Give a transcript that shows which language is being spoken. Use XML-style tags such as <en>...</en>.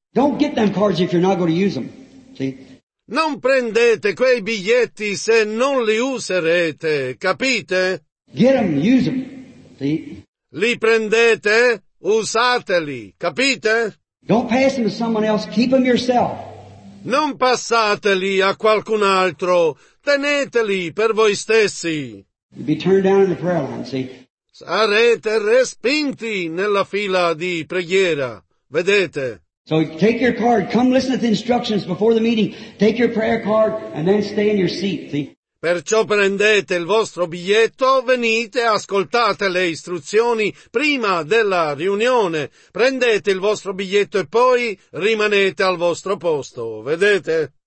<en>Don't get them cards if you're not going to use them. See?</en> <it>Non prendete quei biglietti se non li userete, capite?</it> <en>Get them, use them. See?</en> <it>Li prendete, usateli, capite?</it> <en>Don't pass them to someone else, keep them yourself.</en> <it>Non passateli a qualcun altro, teneteli per voi stessi.</it> <en>You'd be turned down in the prayer line, see?</en> <it>Sarete respinti nella fila di preghiera, vedete?</it> <en>So take your card, come listen to the instructions before the meeting, take your prayer card and then stay in your seat, see?</en> <it>Perciò prendete il vostro biglietto, venite, ascoltate le istruzioni prima della riunione, prendete il vostro biglietto e poi rimanete al vostro posto, vedete?</it>